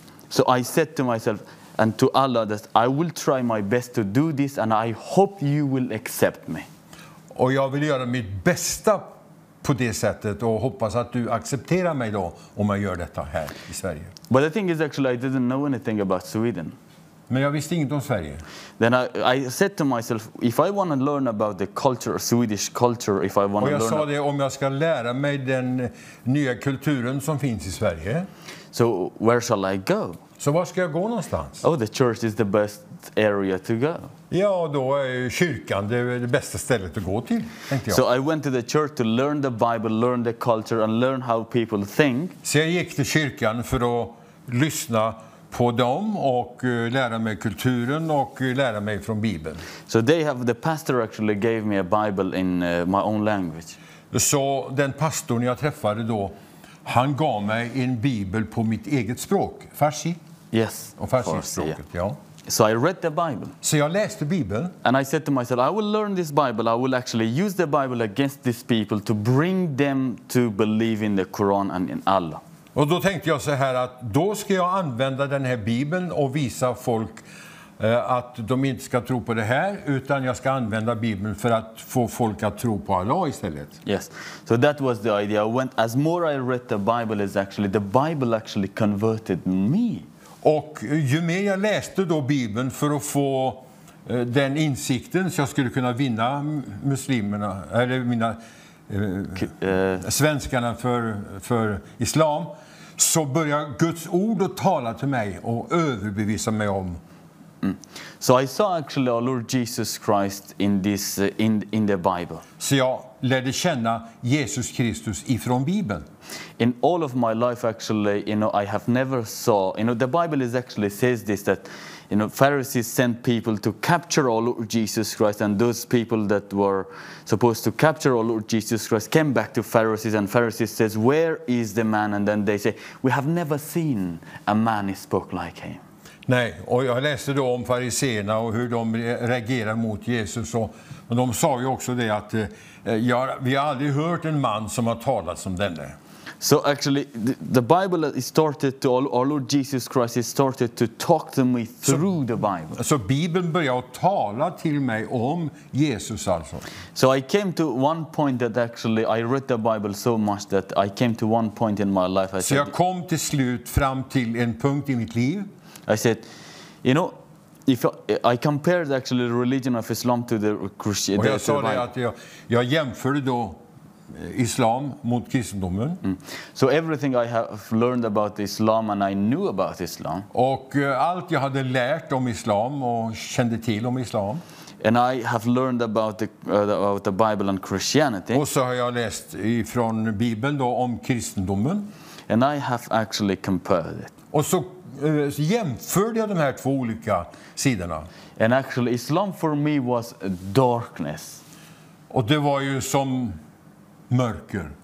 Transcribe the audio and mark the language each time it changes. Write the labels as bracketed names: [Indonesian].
[English] So I said to myself and to Allah that I will try my best to do this and I hope you will accept me. [Swedish] Och jag vill göra mitt bästa på det sättet och hoppas att du accepterar mig då om jag gör detta här i Sverige. [English] But the thing is actually I didn't know anything about Sweden. [Swedish] Men jag visste inget om Sverige. [English] Then I said to myself, if I want to learn about the culture, Swedish culture, if I want to learn. [Swedish] Och jag sa det, om jag ska lära mig den nya kulturen som finns i Sverige. [English] So where shall I go? [Swedish] Så var ska jag gå någonstans? [English] Oh, the church is the best area to go. [Swedish] Ja, då är kyrkan det bästa stället att gå till, tänkte jag. [English] So I went to the church to learn the Bible, learn the culture and learn how people think. [Swedish] Så jag gick till kyrkan för att lyssna på dem och lära mig kulturen och lära mig från Bibeln. [English] So they have the pastor actually gave me a Bible in my own language. [Swedish] Så den pastorn jag träffade då, han gav mig en Bibel på mitt eget språk, farsi. [English] Yes. [Swedish] Och farsi språket, ja. [English] So I read the Bible. [Swedish] Så jag läste Bibeln. [English] And I said to myself, I will learn this Bible. I will actually use the Bible against these people to bring them to believe in the Quran and in Allah. [Swedish] Och då tänkte jag så här att då ska jag använda den här Bibeln och visa folk att de inte ska tro på det här, utan jag ska använda Bibeln för att få folk att tro på Allah istället. [English] Yes, so that was the idea. As more I read the Bible, is actually the Bible actually converted me. [Swedish] Och ju mer jag läste då Bibeln för att få den insikten så jag skulle kunna vinna muslimerna eller mina svenskarna för islam, så börjar Guds ord att tala till mig och överbevisa mig om. [English] So I saw actually our Lord Jesus Christ in this in the Bible. [Swedish] Så jag lärde känna Jesus Kristus ifrån Bibeln. [English] In all of my life actually, you know, I have never saw, you know, the Bible is actually says this, that you know, Pharisees sent people to capture our Lord Jesus Christ, and those people that were supposed to capture our Lord Jesus Christ came back to Pharisees, and Pharisees says, where is the man? And then they say, we have never seen a man who spoke like him. [Swedish] Nej, och jag läste då om fariserna och hur de reagerar mot Jesus. Och de sa ju också det att vi har aldrig hört en man som har talat som denne. [English] So actually the Bible started to, our Lord Jesus Christ started to talk to me through the Bible. [Swedish] Så Bibeln började tala till mig om Jesus alltså. [English] So I came to one point that actually I read the Bible so much that I came to one point in my life. [Swedish] Så jag kom till slut fram till en punkt i mitt liv. [English] I said, you know, if I compared actually the religion of Islam to the Christian. [Swedish] Och jag sa det att jag jämförde då Islam mot kristendomen. Mm. [English] So everything I have learned about Islam and I knew about Islam. [Swedish] Och allt jag hade lärt om Islam och kände till om Islam. [English] And I have learned about the Bible and Christianity. [Swedish] Och så har jag läst ifrån Bibeln då om kristendomen. [English] And I have actually compared it. [Swedish] Och så jämförde jag de här två olika sidorna. [English] And actually Islam for me was darkness. [Swedish] Och det var ju som mörker.